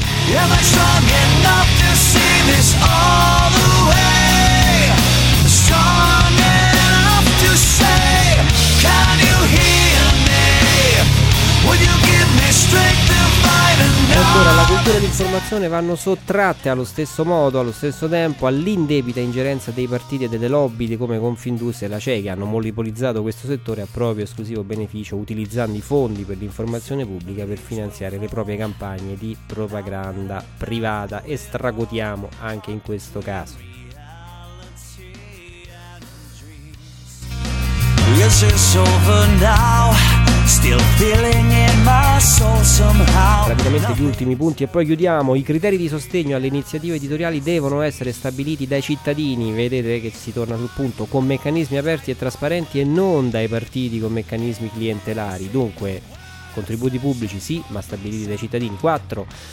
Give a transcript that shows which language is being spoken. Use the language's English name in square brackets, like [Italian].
[English] Am I strong enough to see this all the way? Strong enough to say, can you hear me? Would you give me strength to fight another? [Italian] Ancora, la cultura e l'informazione vanno sottratte allo stesso modo, allo stesso tempo, all'indebita ingerenza dei partiti e delle lobby come Confindustria e la CEI, che hanno monopolizzato questo settore a proprio esclusivo beneficio, utilizzando i fondi per l'informazione pubblica per finanziare le proprie campagne di propaganda privata. Estragotiamo anche in questo caso. [English] Is this over now? still feeling in my soul somehow. [Italian] Rapidamente gli ultimi punti e poi chiudiamo. I criteri di sostegno alle iniziative editoriali devono essere stabiliti dai cittadini. Vedete che si torna sul punto, con meccanismi aperti e trasparenti e non dai partiti con meccanismi clientelari. Dunque, contributi pubblici sì, ma stabiliti dai cittadini. 4.